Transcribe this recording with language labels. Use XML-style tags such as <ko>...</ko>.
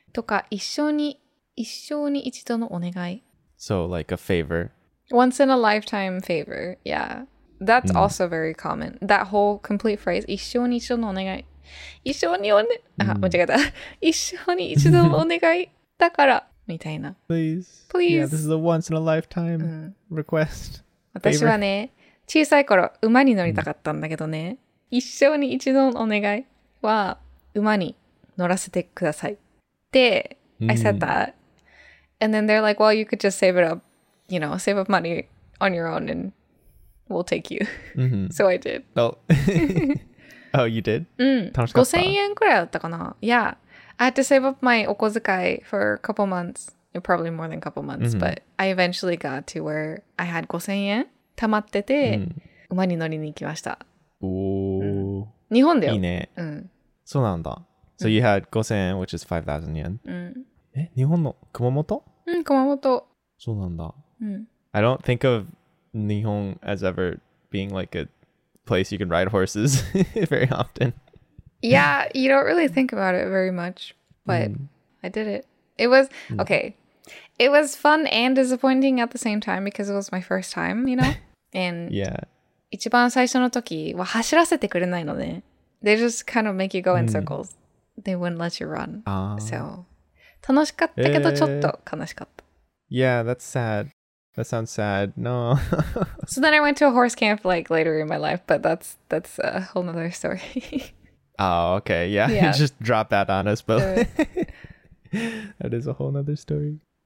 <ja>とか一生に一度のお願い.</ja> <en>So like a favor. Once in a lifetime favor, yeah. That's also very common. That whole complete phrase,</en> <ja>一生に一度のお願い. 一生に一度のお願いだから、みたいな.</ja> <en>Please. Please. Yeah, this is a once in a lifetime request.</en> <ja>私はね、小さい頃馬に乗りたかったんだけどね。一生に一度のお願いは馬に乗らせてください。で、</ja> <en>I said that. And then they're like, well, you could just save it up, you know, save up money on your own and we'll take you. So I did. Oh, you did?</en> <ja>5,000円くらいだったかな?</ja> <en>Yeah. I had to save up my okozukai for a couple months. Probably more than a couple months. But I eventually got to where I had 5,000円.</en> <ja>溜まってて馬に乗りに行きました. Ooh. 日本だよ. いいね.そうなんだ. So you had 5,000円, which is 5,000 yen. 日本の熊本? 熊本. そうなんだ.</ja> <en>I don't think of 日本 as ever being like a place you can ride horses very often. Yeah, you don't really think about it very much, but I did it. It was okay. It was fun and disappointing at the same time because it was my first time, you know? And yeah.</en> <ja>一番最初の時は走らせてくれないので.</ja> <en>They just kind of make you go in circles. They wouldn't let you run. So</en> <ja>楽しかったけどちょっと悲しかった.</ja> <en>Yeah, that's sad. That sounds sad. No. So then I went to a horse camp like later in my life, but that's a whole nother story. Oh, okay. Yeah. Yeah. Just drop that on us, but that is a whole nother story.</en>